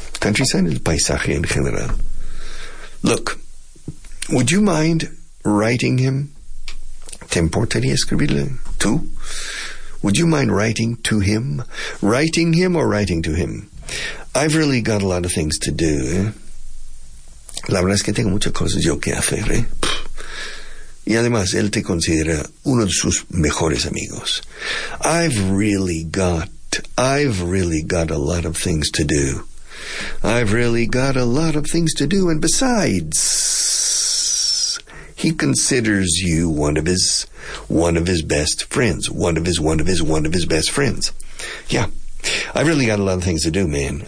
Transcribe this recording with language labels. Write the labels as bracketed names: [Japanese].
[English] Countryside is [Spanish] paisaje en general. [English] Look, would you mind writing him? [Spanish] ¿Te importaría escribirle tú? [English] Would you mind writing to him? Writing him or writing to him? I've really got a lot of things to do. [Spanish] La verdad es que tengo muchas cosas yo que hacer. Y además, él te considera uno de sus mejores amigos. [English] I've really got a lot of things to do. I've really got a lot of things to do. And besides, he considers you one of his best friends. One of his best friends. Yeah. I've really got a lot of things to do, man.